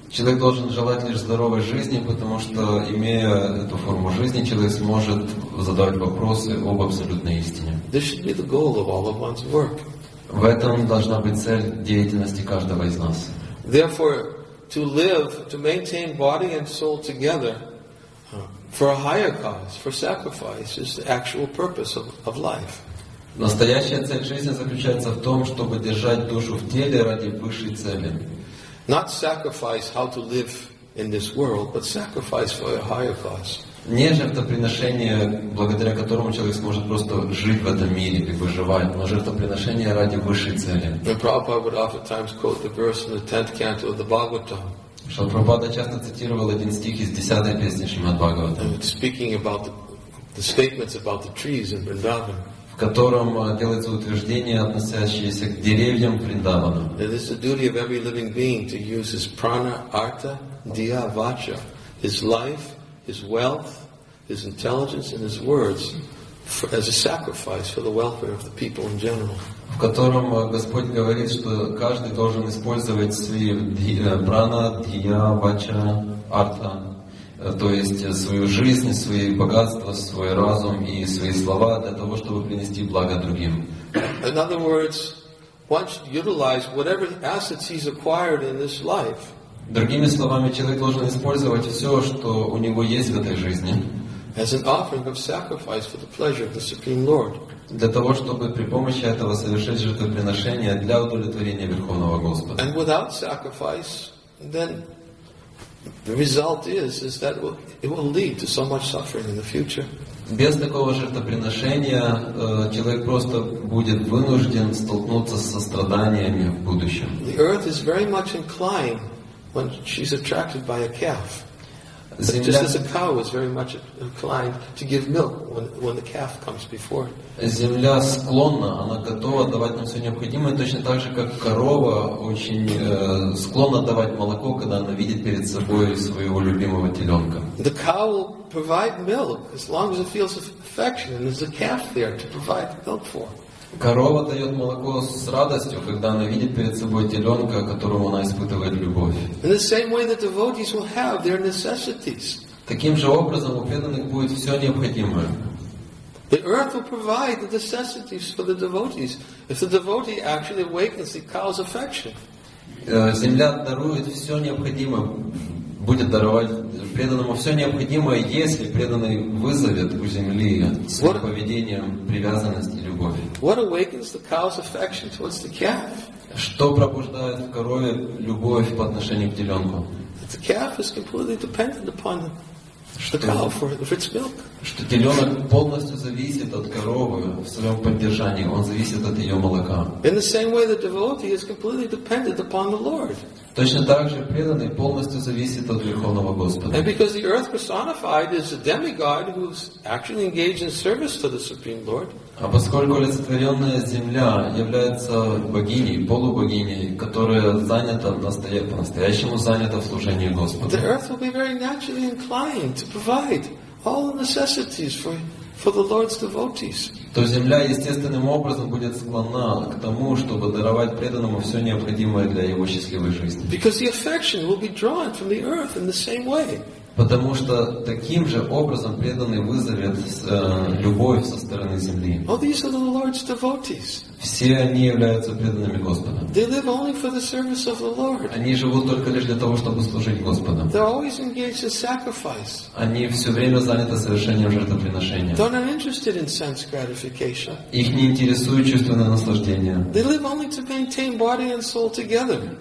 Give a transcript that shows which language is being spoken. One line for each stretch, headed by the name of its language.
Russian: Человек должен желать лишь здоровой жизни, потому что, имея эту форму жизни, человек сможет задавать вопросы об абсолютной истине.
English: This should be the goal of all of one's work.
Russian: В этом должна быть цель деятельности каждого из нас.
English: Therefore, to live, to maintain body and soul together for a higher cause, for sacrifice, is the actual purpose of life.
Russian: Настоящая цель жизни заключается в том, чтобы держать душу в теле ради высшей цели.
English: Not sacrifice how to live in this world, but sacrifice for a higher cause.
Russian: Не жертвоприношение, благодаря которому человек сможет просто жить в этом мире и выживать, но жертвоприношение ради высшей цели.
English: Prabhupada would oftentimes quote the verse in the 10th canto of the Bhagavatam.
Russian: Шрила Прабхупада часто цитировал один стих из 10-й песни Шримад Бхагаватам.
English: Speaking about the statements about the trees in Vrindavan.
Russian: В котором делается утверждение, относящееся к деревьям Вриндавана.
English: It is the duty of every living being to use his prana, artha, diya, vacha, his life, his wealth, his intelligence, and his words as a sacrifice for the welfare of the people in general.
Russian: В котором Господь говорит, что каждый должен использовать свои прана, диа, вача, артха. То есть свою жизнь, свои богатства, свой разум и свои слова для того, чтобы принести благо другим.
English: In other words, one should utilize whatever assets he's acquired in this life.
Russian: Другими словами, человек должен использовать все, что у него есть в этой жизни.
English: As an offering of sacrifice for the pleasure of the Supreme Lord.
Russian: Для того, чтобы при помощи этого совершить жертвоприношение для удовлетворения Верховного Господа.
English: And without sacrifice, then the result is that it will lead to so much suffering in the future.
Russian: Без такого жертвоприношения человек просто будет вынужден столкнуться со страданиями в будущем.
English: The earth is very much inclined when she's attracted by a calf. Just as a cow is very much inclined to give milk when the calf comes before.
Russian: Земля склонна, она готова давать нам все необходимое, точно так же, как корова очень склонна давать молоко, когда она видит перед собой своего любимого теленка.
English: The cow will provide milk as long as it feels affection and there's a calf there to provide milk for.
Russian: Корова дает молоко с радостью, когда она видит перед собой теленка, которому она испытывает любовь.
English: In the same way the devotees will have their necessities.
Russian: Таким же образом у преданных будет все необходимое.
English: The earth will provide the necessities for the devotees if the devotee actually awakens the cow's affection.
Russian: Земля дарует все необходимое, будет даровать преданному все необходимое, если преданный вызовет у земли своим поведением привязанность и любовь.
English: What awakens the cow's affection towards the calf?
Russian: Что пробуждает в корове любовь по отношению к теленку?
English: The calf is completely dependent upon them. The cow for its milk.
Russian: Что теленок полностью зависит от коровы в своем поддержании. Он зависит от ее молока.
English: In the same way, the devotee is completely dependent upon the Lord.
Russian: Точно так же преданный полностью зависит от Верховного Господа.
English: And because the earth personified is a demigod who's actually engaged in service to the Supreme Lord.
Russian: А поскольку олицетворенная земля является богиней, полубогиней, которая занята по-настоящему занята в служении Господу.
English: The earth will be very naturally inclined to provide all the necessities for the Lord's devotees.
Russian: То земля естественным образом будет склонна к тому, чтобы даровать преданному все необходимое для его счастливой жизни.
English: Because the affection will be drawn from the earth in the same way.
Russian: Потому что таким же образом преданный вызовет любовь со стороны земли.
English: All these are the Lord's devotees.
Russian: Все они являются преданными Господа.
English: They live only for the service of the Lord.
Russian: Они живут только лишь для того, чтобы служить Господу.
English: They're always engaged in sacrifice.
Russian: Они все время заняты совершением жертвоприношения.
English: They're not interested in sense gratification.
Russian: Их не интересует чувственное наслаждение.
English: They live only to maintain body and soul together.